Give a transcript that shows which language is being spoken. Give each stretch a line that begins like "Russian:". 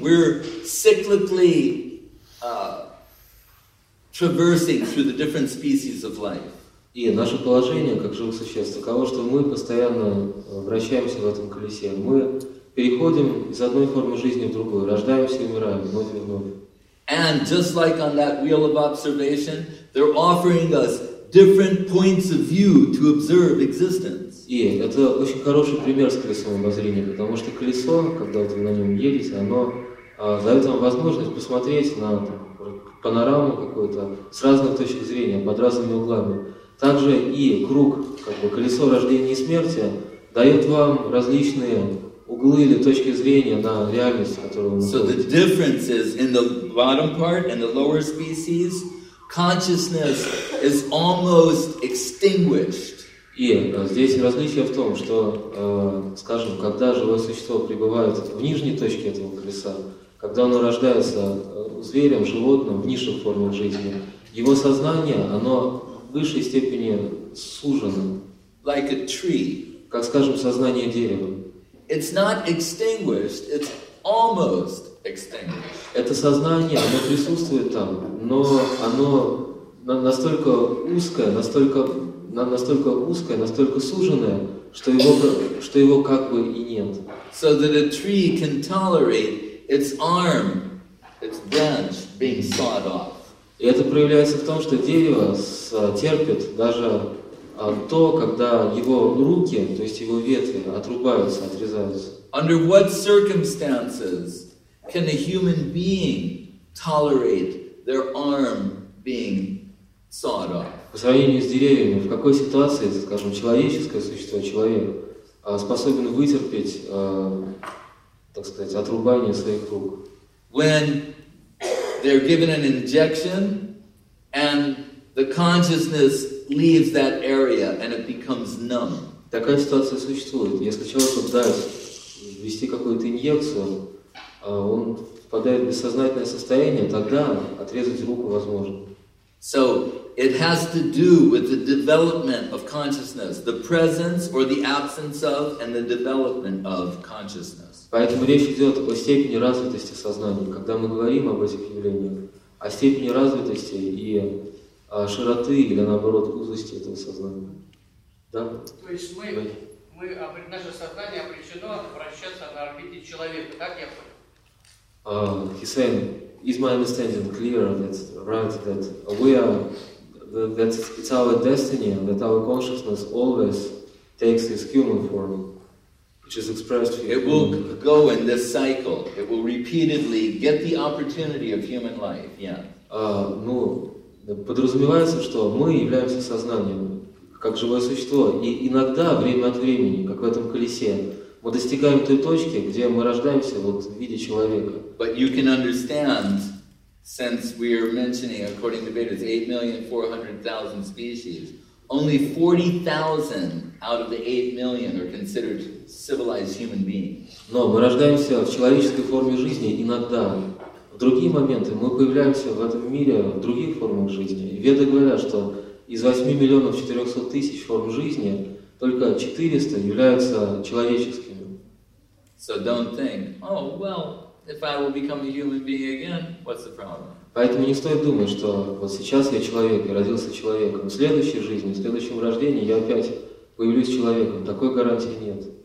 English: We're cyclically traversing through the different species of life.
Russian: И наше положение как живых существ таково, что мы постоянно вращаемся в этом колесе. Мы переходим из одной формы жизни в другую, рождаемся и умираем вновь и вновь.
English: And just like on that wheel of observation, they're offering us different points of view to observe existence.
Russian: И это очень хороший пример с колесом обозрения, потому что колесо, когда вот вы на нем едете, оно дает вам возможность посмотреть на панораму какую-то с разных точек зрения, под разными углами. Также и круг, как бы колесо рождения и смерти, дает вам различные углы или точки зрения на реальность, которую вы находите.
English: So the difference is in the bottom part and the lower species, consciousness is almost extinguished.
Russian: И здесь различие в том, что, скажем, когда живое существо пребывает в нижней точке этого колеса, когда оно рождается зверем, животным, в низших формах жизни, его сознание, оно в высшей степени сужено.
English: Like a tree.
Russian: Как, скажем, сознание дерева.
English: It's not extinguished, it's almost extinguished.
Russian: Это сознание, оно присутствует там, но оно настолько узкое, настолько суженное, что его как бы и нет.
English: So that a tree can tolerate its arm, its branch being sawed off.
Russian: И это проявляется в том, что дерево терпит даже то, когда его руки, то есть его ветви, отрубаются, отрезаются.
English: Under what circumstances can a human being tolerate their arm being sawed off?
Russian: По сравнению с деревьями, в какой ситуации, скажем, человеческое существо, человек, способен вытерпеть, так сказать, отрубание своих рук?
English: When they're given an injection, and the consciousness leaves that area, and it becomes numb.
Russian: Такая ситуация существует. Если человеку ввести какую-то инъекцию, он впадает в бессознательное состояние, тогда отрезать руку возможно.
English: So it has to do with the development of consciousness, the presence or the absence of, and the development of consciousness.
Russian: Поэтому речь идет о степени развитости сознания, когда мы говорим об этих явлениях, о степени развитости и широты или, наоборот, узости этого сознания. Да. То есть мы наше сознание обречено вращаться на орбите человека, так я понял?
English: He's saying, is my understanding clear that right that we are that it's our destiny and that our consciousness always takes this human form, which is expressed here. It will go in this cycle. It will repeatedly get the opportunity of human life. Yeah.
Russian: Ну, подразумевается, что мы являемся сознанием, как живое существо, и иногда, время от времени, как в этом колесе, мы достигаем той точки, где мы рождаемся вот, в виде человека.
English: But you can understand, since we are mentioning, according to Vedas, 8,400,000 species, only 40,000 out of the 8 million are considered civilized human beings.
Russian: Но мы рождаемся в человеческой форме жизни иногда. В другие моменты мы появляемся в этом мире в других формах жизни. Веды говорят, что из 8,400,000 форм жизни только 400 являются человеческими.
English: So don't think, oh, well, if I will become a human being again, what's the problem?
Russian: Поэтому не стоит думать, что вот сейчас я человек, я родился человеком. В следующей жизни, в следующем рождении я опять появлюсь человеком. Такой гарантии нет.